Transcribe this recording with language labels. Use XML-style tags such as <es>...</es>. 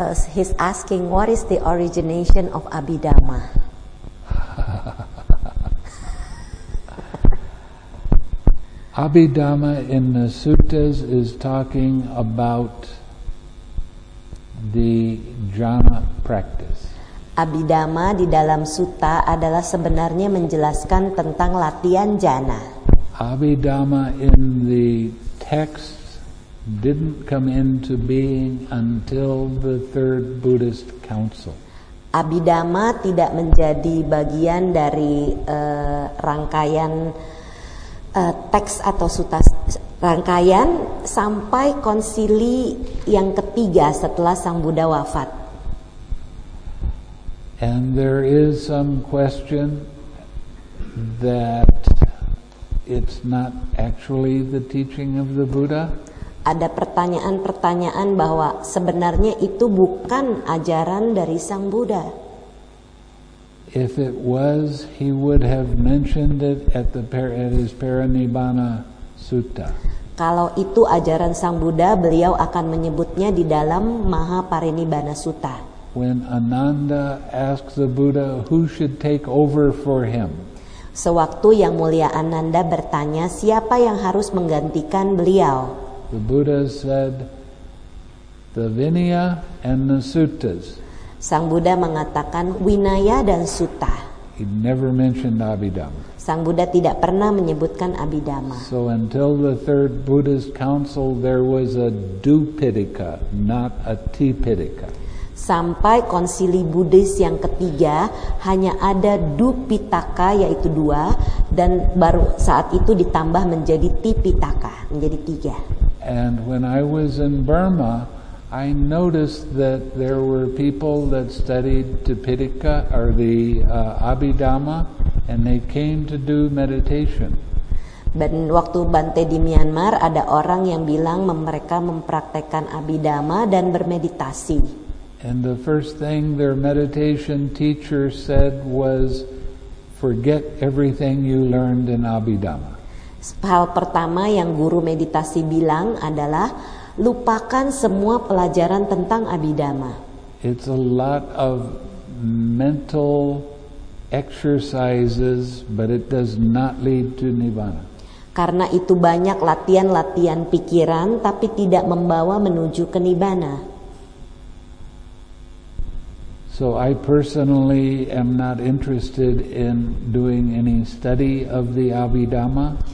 <en>He's asking, what is the origination of Abhidhamma? Abhidhamma in the suttas is talking about the jhana practice.</en> <id>Abhidhamma di dalam sutta adalah sebenarnya menjelaskan tentang latihan jhana.</id> <en>Abhidhamma in the text didn't come into being until the third Buddhist council.</en> <id>Abhidhamma tidak menjadi bagian dari rangkaian teks atau sutta rangkaian sampai konsili yang ketiga setelah Sang Buddha wafat.</id> <en>And there is some question that it's not actually the teaching of the Buddha?</en> <id>Ada pertanyaan-pertanyaan bahwa sebenarnya itu bukan ajaran dari Sang Buddha.</id> <en>If it was, he would have mentioned it at his Parinibbana Sutta.</en> <id>Kalau itu ajaran Sang Buddha, beliau akan menyebutnya di dalam Maha Parinibbana Sutta.</id> <en>When Ananda asked the Buddha who should take over for him.</en> <id>Sewaktu Yang Mulia Ananda bertanya siapa yang harus menggantikan beliau.</id> <en>The Buddha said, the Vinaya and the Suttas.</en> <id>Sang Buddha mengatakan Winaya dan Sutta.</id> <en>He never mentioned Abhidhamma.</en> <id>Sang Buddha tidak pernah menyebutkan Abhidhamma.</id> <en>So until the third Buddhist council there was a Dupitika, not a Tipitika.</en> <id>Sampai konsili Buddhis yang ketiga hanya ada Dupitaka yaitu dua, dan baru saat itu ditambah menjadi Tipitaka, menjadi tiga.</id> <en>And when I was in Burma, I noticed that there were people that studied Tipitaka or the Abhidhamma, and they came to do meditation.</en> <id>Dan waktu Bante di Myanmar, ada orang yang bilang mereka mempraktekkan Abhidhamma dan bermeditasi.</id> <en>And the first thing their meditation teacher said was, forget everything you learned in Abhidhamma.</en> <id>Hal pertama yang guru meditasi bilang adalah, lupakan semua pelajaran tentang Abhidhamma.</id> <en>It's a lot of mental exercises, but it does not lead to Nirvana.</en> <id>Karena itu banyak latihan-latihan pikiran, tapi tidak membawa menuju ke Nirvana.</id> <en>So I personally am not interested in doing any study of the Abhidhamma.</en>